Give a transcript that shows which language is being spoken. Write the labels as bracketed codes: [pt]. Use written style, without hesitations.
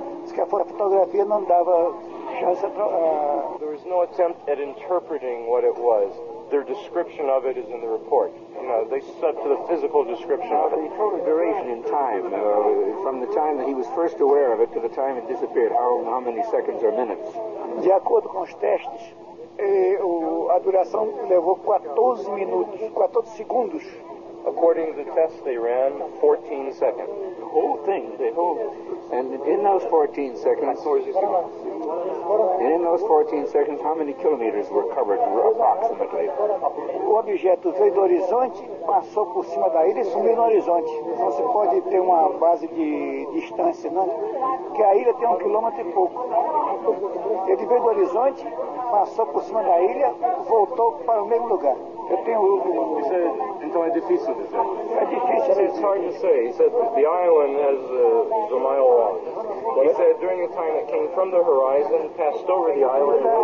[pt] Diz que a fotografia não dava chance para... [en] There was no attempt at interpreting what it was. Their description of it is in the report. They stuck to the physical description of it. The total duration in time, from the time that he was first aware of it to the time it disappeared, how many seconds or minutes? [pt] De acordo com os testes, a duração levou 14 minutos, 14 segundos. [en] According to the test they ran, 14 seconds. The whole thing, they hold. And in those 14 seconds, how many kilometers were covered approximately? [pt] O objeto veio do horizonte, passou por cima da ilha e sumiu no horizonte. Então você pode ter uma base de distância, não? Porque a ilha tem um quilômetro e pouco. Ele veio do horizonte, passou por cima da ilha, voltou para o mesmo lugar. Eu tenho então é difícil dizer. É difícil. [en] It's hard to say. He said the island is a mile long. He said during the time it came from the horizon, passed over the island.